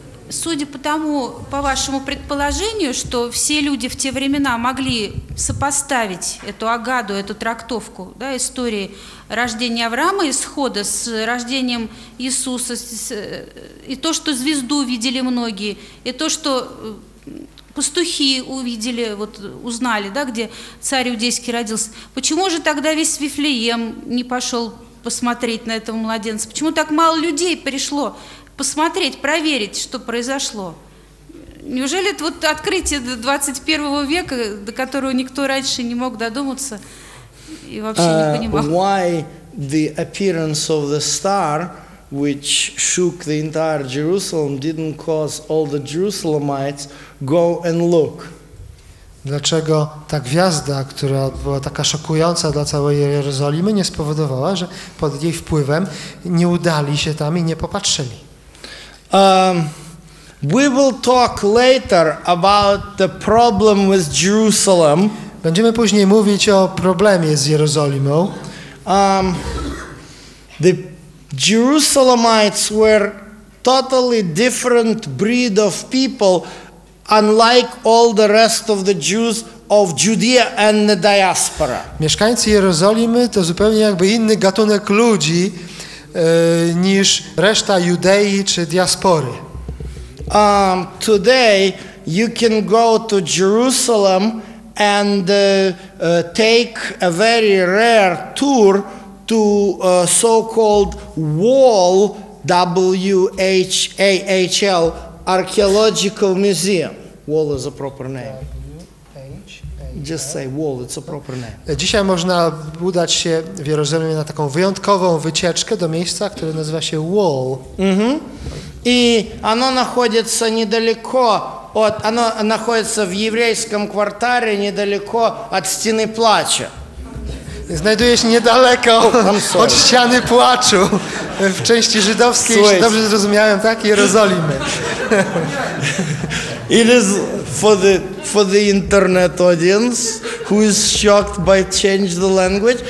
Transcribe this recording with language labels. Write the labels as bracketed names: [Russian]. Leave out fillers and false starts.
[Russian] Судя по тому, по вашему предположению, что все люди в те времена могли сопоставить эту Агаду, эту трактовку, да, истории рождения Авраама, исхода с рождением Иисуса, и то, что звезду видели многие, и то, что пастухи увидели, вот узнали, да, где царь иудейский родился, почему же тогда весь Вифлеем не пошел посмотреть на этого младенца? Почему так мало людей пришло посмотреть, проверить, что произошло? Неужели это вот открытие 21 века, до которого никто раньше не мог додуматься и вообще не понимал? [English] Why the appearance of the star, which shook the entire Jerusalem, didn't cause all the Jerusalemites go and look? [Polish] Dlaczego ta gwiazda, która była taka szokująca dla całej Jerozolimy, nie spowodowała, że pod jej wpływem nie udali się tam i nie popatrzyli? [English] We will talk later about the problem with Jerusalem. [Polish] Będziemy później mówić o problemie z Jerozolimą. [English] The Jerusalemites were totally different breed of people, unlike all the rest of the Jews of Judea and the diaspora. [Polish] Mieszkańcy Jerozolimy to zupełnie jakby inny gatunek ludzi niż reszta Judei czy diaspory. [English] Today you can go to Jerusalem and take a very rare tour to so-called Wall, WHAHL, archaeological museum. Wall is a proper name. Just say Wall, it's a proper name. [Polish] Dzisiaj można udać się w Jerozolimie na taką wyjątkową wycieczkę do miejsca, które nazywa się Wall. Mm-hmm. I ono znajduje się niedaleko od, ono znajduje się w jewryjskim kwartale, niedaleko od Ściny Płacza. Znajduje się niedaleko od ściany płaczu w części żydowskiej, jeśli dobrze zrozumiałem, tak? Jerozolimy. [English] It is for the internet audience who is shocked by change the language.